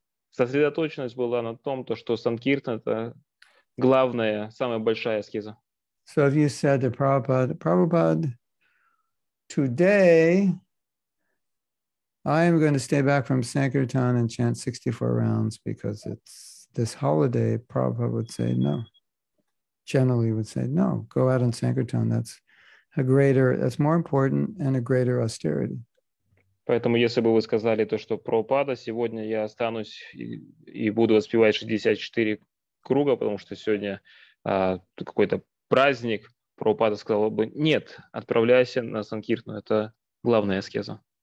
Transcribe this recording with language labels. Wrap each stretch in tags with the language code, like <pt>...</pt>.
<ru>Сосредоточенность была на том, то, что Санкиртан это главная, самая большая аскеза.</ru> <en>So if you said to Prabhupada, today I am going to stay back from Sankirtan and chant 64 rounds because it's this holiday, Prabhupada would say no. Generally would say no, go out on Sankirtan. That's more important and a greater austerity.</en> <ru>Поэтому если бы вы сказали то, что Прабхупада, сегодня я останусь и буду воспевать 64 круга, потому что сегодня какой-то праздник, Прабхупада сказал бы, нет, отправляйся на Санкиртан, это главная аскеза.</ru>